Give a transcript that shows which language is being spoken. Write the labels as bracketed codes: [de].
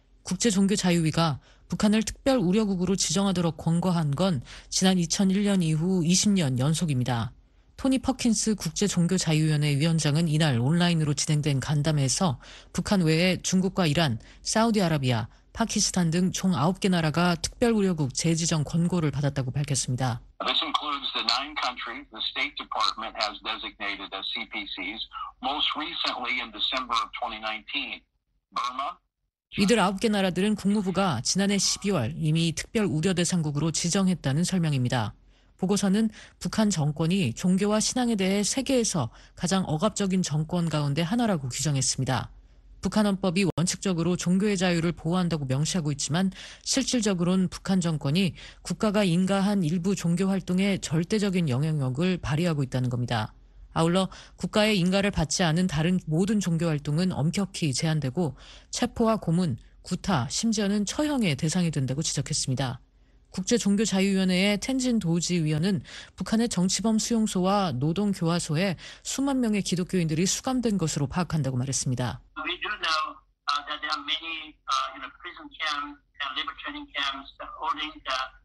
[ko] 국제종교자유위가 북한을 특별우려국으로 지정하도록 권고한 건 지난 2001년 이후 20년 연속입니다. 토니 퍼킨스 국제종교자유위원회 위원장은 이날 온라인으로 진행된 간담회에서 북한 외에 중국과 이란, 사우디아라비아, 파키스탄 등 총 9개 나라가 특별우려국 재지정 권고를 받았다고 밝혔습니다. [en] This includes the 9 countries the State Department has designated as CPCs, most recently in December of 2019. Burma. [ko] 이들 9개 나라들은 국무부가 지난해 12월 이미 특별우려대상국으로 지정했다는 설명입니다. 보고서는 북한 정권이 종교와 신앙에 대해 세계에서 가장 억압적인 정권 가운데 하나라고 규정했습니다. 북한 헌법이 원칙적으로 종교의 자유를 보호한다고 명시하고 있지만 실질적으로는 북한 정권이 국가가 인가한 일부 종교 활동에 절대적인 영향력을 발휘하고 있다는 겁니다. 아울러 국가의 인가를 받지 않은 다른 모든 종교 활동은 엄격히 제한되고 체포와 고문, 구타, 심지어는 처형의 대상이 된다고 지적했습니다. 국제종교자유위원회의 텐진 도우지 위원은 북한의 정치범 수용소와 노동 교화소에 수만 명의 기독교인들이 수감된 것으로 파악한다고 말했습니다. [en] We do know that there are many in a prison camp, labor training camps holding the